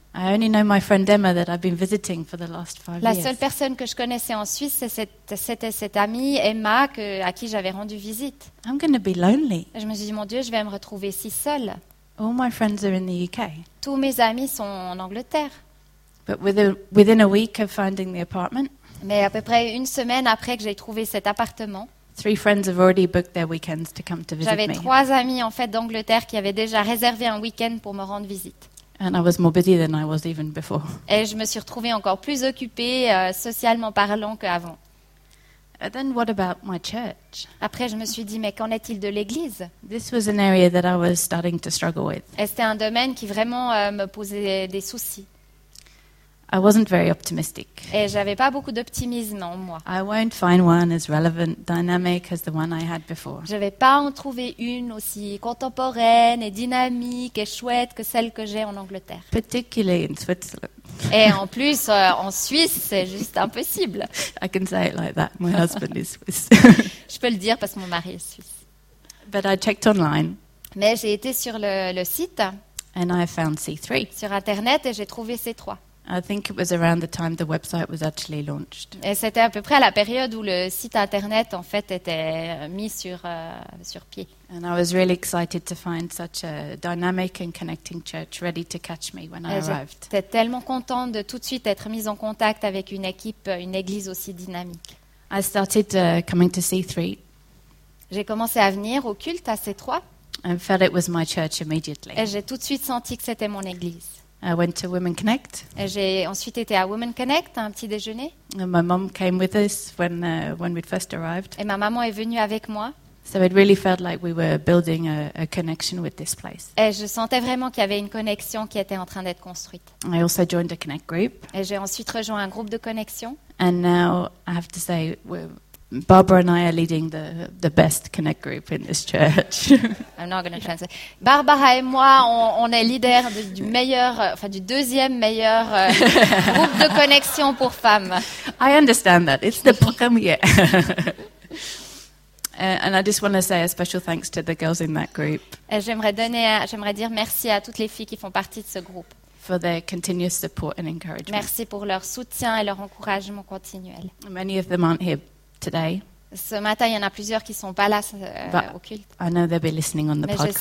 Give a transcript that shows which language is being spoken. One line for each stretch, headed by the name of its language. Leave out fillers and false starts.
English: I only know my friend Emma that I've been visiting for the last 5 years.
French: La seule personne que je connaissais en Suisse, c'était cette amie Emma à qui j'avais rendu visite.
English: I'm going to be lonely.
French: Et je me suis dit, mon Dieu, je vais me retrouver si seule.
English: All my friends are in the UK.
French: Tous mes amis sont en Angleterre.
English: But within a week of finding the apartment,
French: mais à peu près une semaine après que j'ai trouvé cet appartement,
English: three friends have already booked their weekends to come to visit me.
French: J'avais 3 amis en fait d'Angleterre qui avaient déjà réservé un week-end pour me rendre visite.
English: And I was more busy than I was even before.
French: Et je me suis retrouvée encore plus occupée socialement parlant qu'avant.
English: But then what about my church?
French: Après, je me suis dit, mais qu'en est-il de l'église?
English: This was an area that I was starting to struggle with.
French: Et c'était un domaine qui vraiment me posait des soucis.
English: I wasn't very optimistic.
French: Et j'avais pas beaucoup d'optimisme en moi.
English: I won't find one as relevant, dynamic as the one I had before.
French: Je vais pas en trouver une aussi contemporaine et dynamique et chouette que celle que j'ai en Angleterre.
English: Particularly in Switzerland.
French: Et en plus, en Suisse, c'est juste impossible.
English: I can say it like that. My husband is Swiss.
French: Je peux le dire parce que mon mari est suisse.
English: But I checked online.
French: Mais j'ai été sur le site.
English: And I found C3.
French: Sur internet et j'ai trouvé C3.
English: I think it was around the time the website was actually launched.
French: Et c'était à peu près à la période où le site internet en fait était mis sur pied.
English: And I was really excited to find such a dynamic and connecting church ready to catch me when I arrived.
French: J'étais tellement contente de tout de suite être mise en contact avec une équipe, une église aussi dynamique.
English: I started coming to C3.
French: J'ai commencé à venir au culte à C3.
English: I felt it was my church immediately.
French: Et j'ai tout de suite senti que c'était mon église.
English: I went to Women Connect.
French: Et j'ai ensuite été à Women Connect, un petit déjeuner.
English: And my mom came with us when we first arrived.
French: Et ma maman est venue avec moi.
English: So it really felt like we were building a connection with this place.
French: Et je sentais vraiment qu'il y avait une connexion qui était en train d'être construite.
English: I also joined a Connect group.
French: Et j'ai ensuite rejoint un groupe de connexion.
English: And now I have to say, Barbara and I are leading the best Connect group in this church. I'm not going to translate.
French: Barbara et moi, on est leader du deuxième meilleur groupe de connexion pour femmes.
English: I understand that. It's the premier. And I just want to say a special thanks to the girls in that group.
French: Et j'aimerais dire merci à toutes les filles qui font partie de ce groupe.
English: For their continuous support and encouragement.
French: Merci pour leur soutien et leur encouragement continuel.
English: Many of them aren't here. Today.
French: Ce matin, il y en a plusieurs qui ne sont pas là au culte.
English: I know they'll be listening on the
French: mais
English: podcast.